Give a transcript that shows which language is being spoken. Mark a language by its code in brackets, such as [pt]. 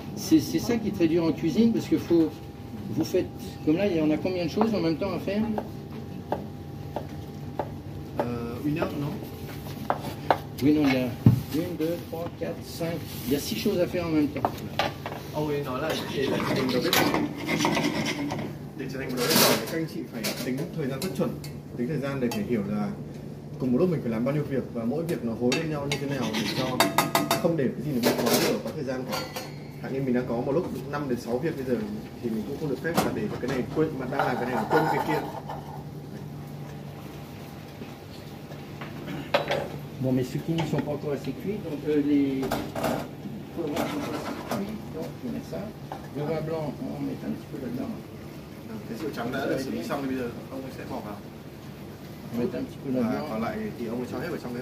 [fr] C'est ça qui est très dur en cuisine parce que faut vous faites comme là. Il y en a combien de choses en même temps à faire? Une heure, non? Oui, non, il y a 1, 2, 3, 4, 5. Il y a 6 choses à faire en même temps. Oh oui, non là. [vi] Các anh chị phải tính thời gian rất chuẩn, tính thời gian để phải hiểu là cùng một lúc mình phải làm bao nhiêu việc và mỗi việc nó hối lên nhau như thế nào để cho không để cái gì nó bị quá lửa quá thời gian cả. Hạn như mình đang có một lúc 5 đến 6 việc bây giờ thì mình cũng không được phép là để cái này quên mà đang làm cái này quên cái kia. [fr] Bon, mes zucchini ne sont pas encore assez cuits, donc les poivrons sont pas assez cuits, donc je mets ça. Le vin blanc, on met un petit peu là-dedans. [vi] Cái rượu trắng đã được xử lý xong thì bây giờ ông ấy sẽ bỏ vào. Và còn lại thì ông ấy cho hết vào trong cái